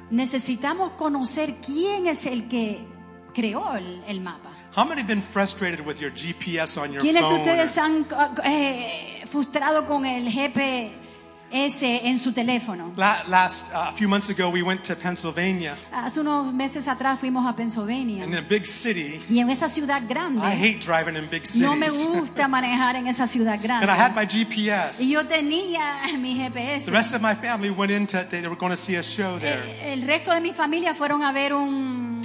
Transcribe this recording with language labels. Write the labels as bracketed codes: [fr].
[es] Necesitamos conocer quién es el que creó el mapa. [en] How many have been frustrated with your GPS on your [es] ¿quiénes [en] phone? [es] ¿Quiénes de ustedes han frustrado con el GPS en su teléfono? [en] A few months ago we went to Pennsylvania. [es] Hace unos meses atrás fuimos a Pennsylvania. [en] In a big city. [es] Y en esa ciudad grande. [en] I hate driving in big cities. [es] No me gusta manejar en esa ciudad grande. [en] And I had my GPS. [es] Y yo tenía mi GPS. [en] The rest of my family went into they were going to see a show there. [es] El resto de mi familia fueron a ver un